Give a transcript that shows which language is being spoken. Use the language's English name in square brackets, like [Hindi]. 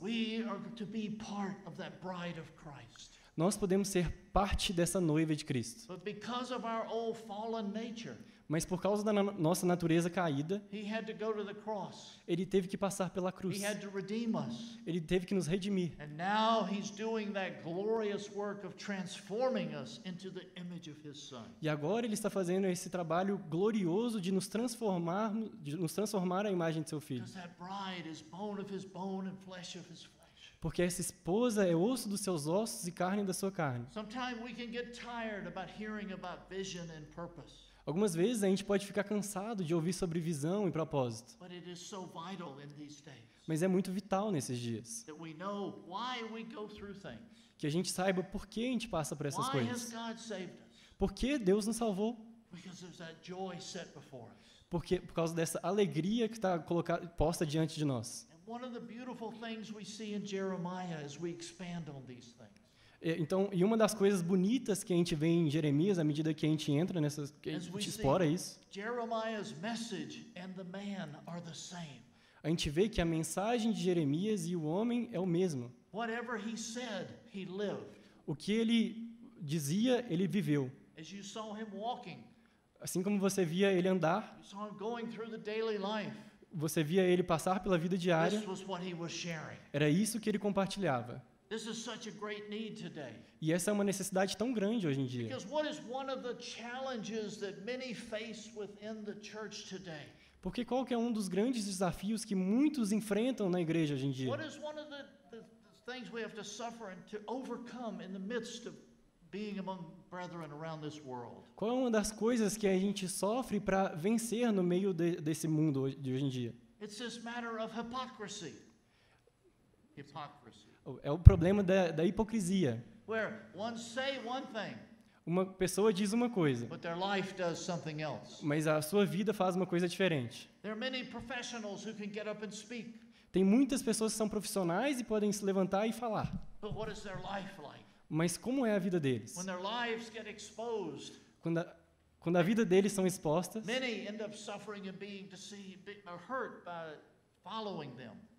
[English] We are to be part of that bride of Christ. [Portuguese] Nós podemos ser parte dessa noiva de Cristo. [English] But because of our old fallen nature, [Portuguese] mas por causa da nossa natureza caída, [English] he had to go to the cross. [Portuguese] Ele teve que passar pela cruz. [English] He had to redeem us. [Portuguese] Ele teve que nos redimir. [English] And now he's doing that glorious work of transforming us into the image of his son. [Portuguese] E agora ele está fazendo esse trabalho glorioso de nos transformar a imagem de seu filho. [English] Because that bride is bone of his bone and flesh of his flesh. [Portuguese] Porque essa esposa é osso dos seus ossos e carne da sua carne. [English] Sometimes we can get tired about hearing about vision and purpose. [Portuguese] Algumas vezes a gente pode ficar cansado de ouvir sobre visão e propósito. [English] But it is so vital in these days. [Portuguese] Mas é muito vital nesses dias. [English] That we know why we go through things. [Portuguese] Que a gente saiba por que a gente passa por essas [English] why [Portuguese] coisas. [English] Has God saved us? [Portuguese] Por que Deus nos salvou? [English] Because there's that joy set before us. [Portuguese] Porque, por causa dessa alegria que está posta diante de nós. [English] And one of the beautiful things we see in Jeremiah as we expand on these things. [Portuguese] Então, e uma das coisas bonitas que a gente vê em Jeremias, à medida que a gente entra nessas, que a gente explora isso, [English] Jeremiah's message and the man are the same. [Portuguese] A gente vê que a mensagem de Jeremias e o homem é o mesmo. [English] Whatever he said, he lived. [Portuguese] O que ele dizia, ele viveu. [English] As you saw him walking, [Portuguese] assim como você via ele andar, [English] you saw him going through the daily life. [Portuguese] Você via ele passar pela vida diária, [English] this was what he was sharing. [Portuguese] Era isso que ele compartilhava. [English] This is such a great need today. [Portuguese] E essa é uma necessidade tão grande hoje em dia. [English] Because what is one of the challenges that many face within the church today? [Portuguese] Porque qual que é um dos grandes desafios que muitos enfrentam na igreja hoje em dia? [English] What is one of the things we have to suffer and to overcome in the midst of being among brethren around this world? [Portuguese] Qual é uma das coisas que a gente sofre para vencer no meio desse mundo de hoje em dia? [English] It's this matter of hypocrisy. Hypocrisy. [Portuguese] É o problema da hipocrisia. [English] Where one say one thing, [Portuguese] uma pessoa diz uma coisa, [English] but their life does something else. [Portuguese] Mas a sua vida faz uma coisa diferente. [English] There are many professionals who can get up and speak. [Portuguese] Tem muitas pessoas que são profissionais e podem se levantar e falar. [English] But what is their life like? [Portuguese] Mas como é a vida deles? [English] When their lives get exposed, [Portuguese] quando a vida deles são expostas, [English] many end up suffering and being deceived or hurt by following them.